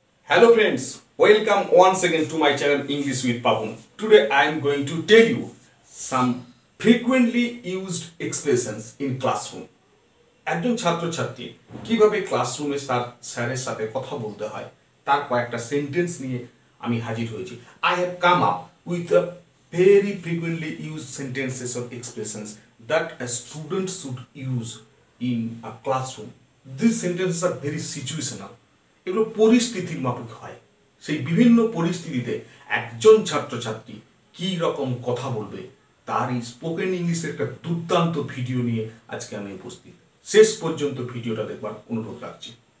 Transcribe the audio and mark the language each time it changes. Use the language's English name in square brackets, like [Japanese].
[English] Hello friends, welcome once again to my channel English with Papun. Today I am going to tell you some frequently used expressions in classroom. [Bangla] একজন ছাত্রছাত্রী কিভাবে ক্লাসরুমে স্যারের সাথে কথা বলতে হয় তার কয়েকটা সেন্টেন্স নিয়ে আমি হাজির হয়েছি. [English] I have come up with a very frequently used sentences or expressions that a student should use in a classroom. These sentences are very situational. [Bangla] এগুলো পরিস্থিতির মাপক হয়, সেই বিভিন্ন পরিস্থিতিতে একজন ছাত্রছাত্রী কি রকম কথা বলবে তার এই স্পোকেন ইংলিশের একটা দুর্দান্ত ভিডিও নিয়ে আজকে আমি উপস্থিত. শেষ পর্যন্ত ভিডিওটা দেখবার অনুরোধ রাখছি.